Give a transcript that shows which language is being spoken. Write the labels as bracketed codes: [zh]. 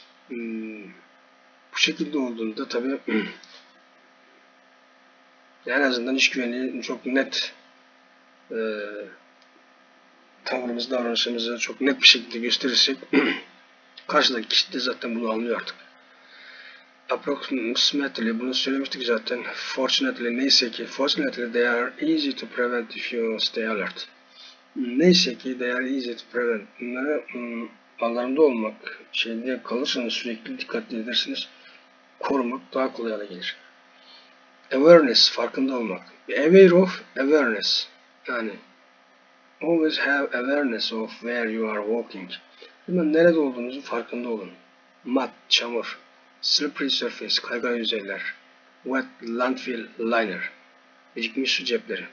[tr] Bu şekilde olduğunda tabii en azından iş güvenliği çok net tavrımızı, davranışımızı çok net bir şekilde gösterirsek karşıdaki kişi de zaten bunu anlıyor artık. Approximately, bunu söylemiştik zaten. Fortunately, neyse ki. [en] Fortunately, they are easy to prevent if you stay alert. [tr] Neyse ki, [en] they are easy to prevent. [tr] Bunları alarmda olmak, şeyde kalırsanız, sürekli dikkatli edersiniz, korumak daha kolay hale gelir. [en] Awareness, [tr] farkında olmak. [en] Be aware of awareness. Yani, always have awareness of where you are walking. [tr] Bunun nerede olduğunuzu farkında olun. Mud, çamur. Slippery surface, kaygan yüzeyler. [en] Wet landfill liner. [tr] Birikmiş su cepleri.